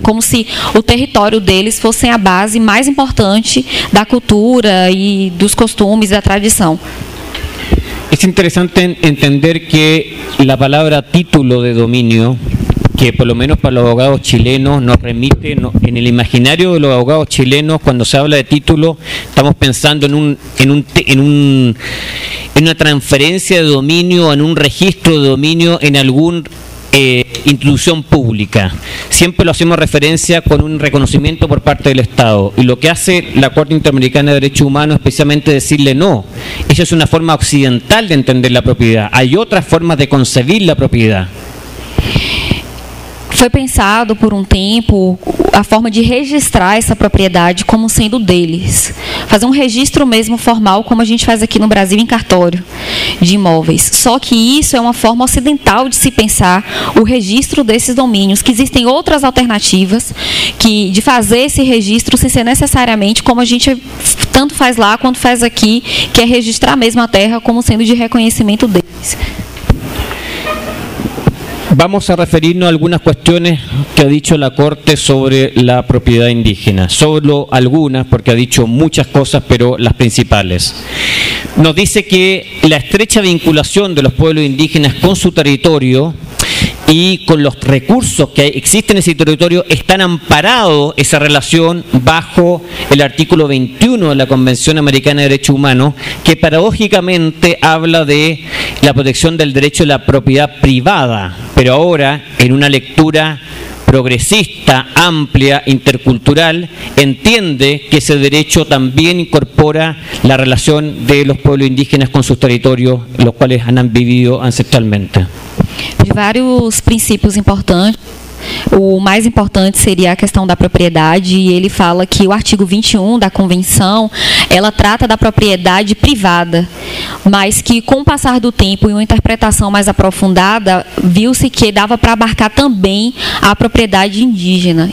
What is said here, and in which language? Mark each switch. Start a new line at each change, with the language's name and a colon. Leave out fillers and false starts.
Portuguese: É como se o território deles fosse a base mais importante da cultura e dos costumes, da tradição. É interessante entender que a palavra título de domínio,
Spanish: que por lo menos para los abogados chilenos nos remite, en el imaginario de los abogados chilenos, cuando se habla de título, estamos pensando en una transferencia de dominio, en un registro de dominio en algún institución pública. Siempre lo hacemos referencia con un reconocimiento por parte del Estado. Y lo que hace la Corte Interamericana de Derechos Humanos es precisamente decirle no. Esa es una forma occidental de entender la propiedad. Hay otras formas de concebir la propiedad.
Portuguese: Foi pensado por um tempo a forma de registrar essa propriedade como sendo deles. Fazer um registro mesmo formal, como a gente faz aqui no Brasil em cartório de imóveis. Só que isso é uma forma ocidental de se pensar o registro desses domínios, que existem outras alternativas que, de fazer esse registro sem ser necessariamente como a gente tanto faz lá quanto faz aqui, que é registrar mesmo a terra como sendo de reconhecimento deles.
Spanish: Vamos a referirnos a algunas cuestiones que ha dicho la Corte sobre la propiedad indígena. Solo algunas, porque ha dicho muchas cosas, pero las principales. Nos dice que la estrecha vinculación de los pueblos indígenas con su territorio y con los recursos que existen en ese territorio, están amparados esa relación bajo el artículo 21 de la Convención Americana de Derechos Humanos, que paradójicamente habla de la protección del derecho a la propiedad privada. Pero ahora, en una lectura progresista, amplia, intercultural, entiende que ese derecho también incorpora la relación de los pueblos indígenas con sus territorios, los cuales han vivido ancestralmente.
Portuguese: De vários princípios importantes, o mais importante seria a questão da propriedade, e ele fala que o artigo 21 da convenção, ela trata da propriedade privada, mas que com o passar do tempo e uma interpretação mais aprofundada, viu-se que dava para abarcar também a propriedade indígena.